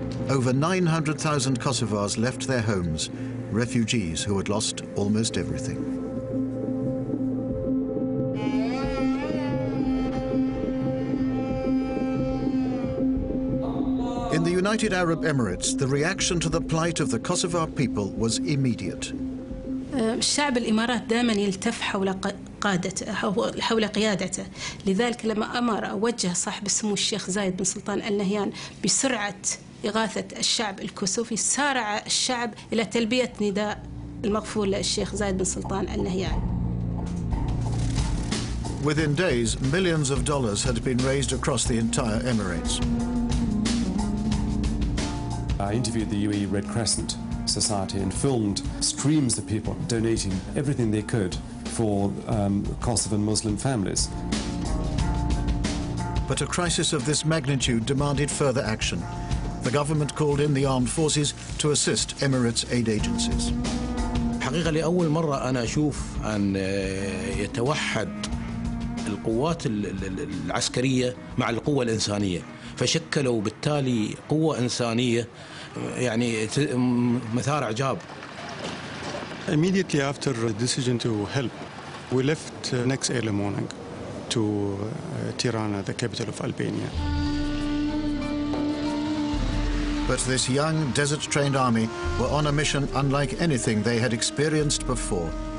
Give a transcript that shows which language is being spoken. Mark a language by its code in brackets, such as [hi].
[en] Over 900,000 Kosovars left their homes, refugees who had lost almost everything. Thank you. United Arab Emirates, the reaction to the plight of the Kosovar people was immediate. [ar] الشعب الإمارات دائما يلتف حول قادته حول قيادته لذلك لما أمر وجه صاحب السمو الشيخ زايد بن سلطان النهيان بسرعة إغاثة الشعب الكوسوفي سارع الشعب إلى تلبية نداء المغفور للشيخ زايد بن سلطان النهيان. [en] Within days, millions of dollars had been raised across the entire Emirates. I interviewed the UAE Red Crescent Society and filmed streams of people donating everything they could for Kosovan Muslim families. But a crisis of this magnitude demanded further action. The government called in the armed forces to assist Emirates aid agencies. [ar] حقيقة لأول مرة أنا أشوف أن يتوحد القوات العسكرية مع القوة الإنسانية فشكلوا بالتالي قوة إنسانية يعني مثار عجاب. [en] Immediately after the decision to help, we left next early morning to Tirana, the capital of Albania. But this young desert-trained army were on a mission unlike anything they had experienced before.